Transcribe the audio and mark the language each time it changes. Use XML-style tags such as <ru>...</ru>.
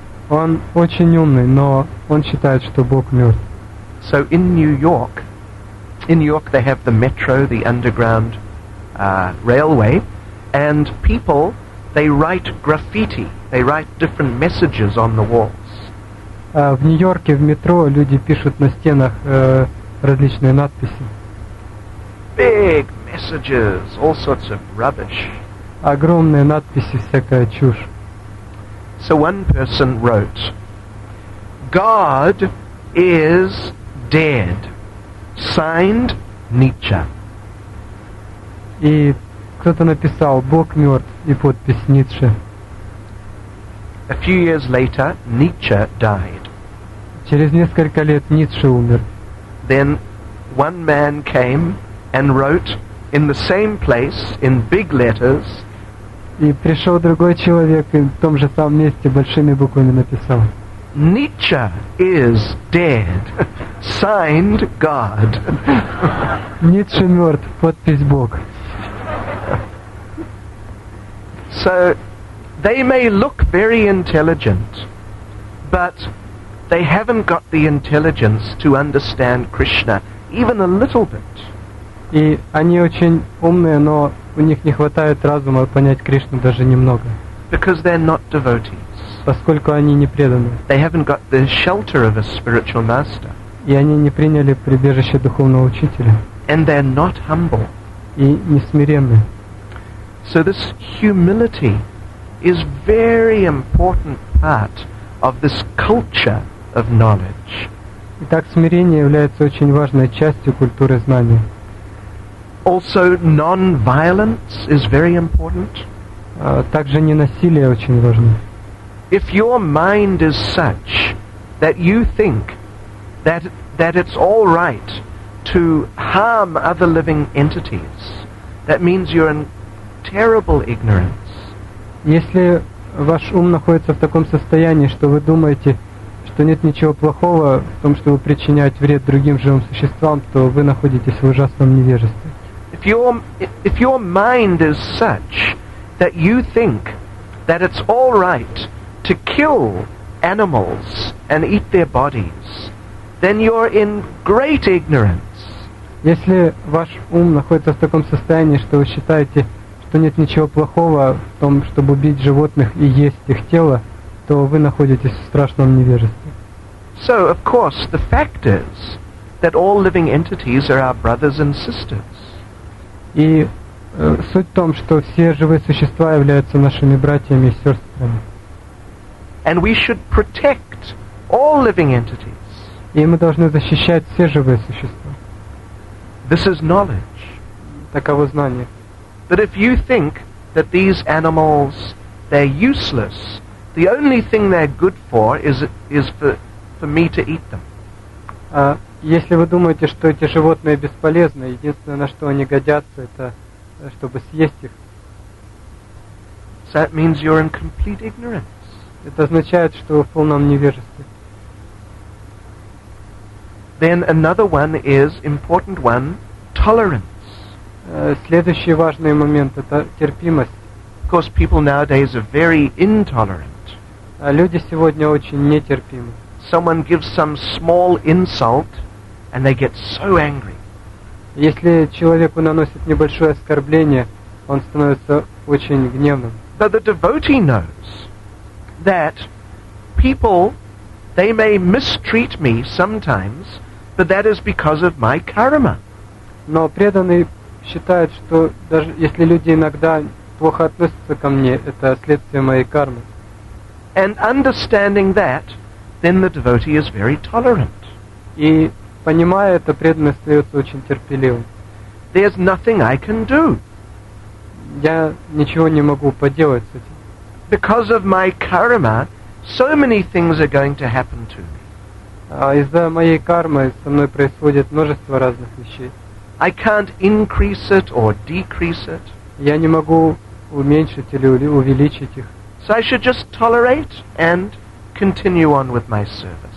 <ru>Он очень умный, но он считает, что Бог мертв.</ru> <en>So in New York they have the metro, the underground railway, and people, they write graffiti, they write different messages on the walls.</en> <ru>В Нью-Йорке в метро люди пишут на стенах различные надписи.</ru> <en>Big messages, all sorts of rubbish.</en> <ru>Огромные надписи, всякая чушь.</ru> <en>So one person wrote, God is dead. Signed, Nietzsche.</en> <ru>И кто-то написал, Бог мертв, и подпись Ницше.</ru> <en>A few years later, Nietzsche died.</en> <ru>Через несколько лет Ницше умер.</ru> <en>Then one man came and wrote in the same place, in big letters.</en> <ru>И пришел другой человек и в том же самом месте большими буквами написал.</ru> <en>Nietzsche is dead. Signed, God.</en> <ru>Ницше мертв. Подпись Бог.</ru> <en>So, they may look very intelligent, but they haven't got the intelligence to understand Krishna, even a little bit.</en> <ru>И они очень умные, но у них не хватает разума понять Кришну даже немного.</ru> <en>Because they're not devotees.</en> <ru>Поскольку они не преданы.</ru> <en>They haven't got the shelter of a spiritual master.</en> <ru>И они не приняли прибежище духовного учителя.</ru> <en>And they're not humble.</en> <ru>И не смиренны.</ru> <en>So this humility is very important part of this culture of knowledge.</en> <ru>Итак, смирение является очень важной частью культуры знания.</ru> <en>Also, non-violence is very important.</en> <ru>Также ненасилие очень важно.</ru> <en>If your mind is such that you think that it's all right to harm other living entities, that means you're in terrible ignorance.</en> <ru>Если ваш ум находится в таком состоянии, что вы думаете, что нет ничего плохого в том, чтобы причинять вред другим живым существам, то вы находитесь в ужасном невежестве.</ru> <en>If your mind is such that you think that it's all right to kill animals and eat their bodies, then you're in great ignorance.</en> <ru>Если ваш ум находится в таком состоянии, что вы считаете, что нет ничего плохого в том, чтобы убить животных и есть их тело, то вы находитесь в страшном невежестве.</ru> <en>So, of course, the fact is that all living entities are our brothers and sisters.</en> <ru>И суть в том, что все живые существа являются нашими братьями и сестрами.</ru> <en>And we should protect all living entities.</en> <ru>И мы должны защищать все живые существа.</ru> <en>This is knowledge.</en> <ru>Таково знание.</ru> <en>But if you think that these animals, they're useless, the only thing they're good for is for me to eat them.</en> <ru>Если вы думаете, что эти животные бесполезны, единственное, на что они годятся, это чтобы съесть их.</ru> <en>So that means you're in complete ignorance.</en> <ru>Это означает, что вы в полном невежестве.</ru> <en>Then another one is important one, tolerance.</en> <ru>Следующий важный момент это терпимость.</ru> <en>Of course, people nowadays are very intolerant.</en> <ru>Люди сегодня очень нетерпимы.</ru> <en>Someone gives some small insult, and they get so angry.</en> <ru>Если человеку наносят небольшое оскорбление, он становится очень гневным.</ru> <en>But the devotee knows that people, they may mistreat me sometimes, but that is because of my karma.</en> <ru>Но преданный считает, что даже если люди иногда плохо относятся ко мне, это следствие моей кармы.</ru> <en>And understanding that, then the devotee is very tolerant.</en> <ru>И понимая это, преданный остается очень терпеливым.</ru> <en>There's nothing I can do.</en> <ru>Я ничего не могу поделать с этим.</ru> <en>Because of my karma, so many things are going to happen to me.</en> <ru>Из-за моей кармы со мной происходит множество разных вещей.</ru> <en>I can't increase it or decrease it.</en> <ru>Я не могу уменьшить или увеличить их.</ru> <en>So I should just tolerate and continue on with my service.</en>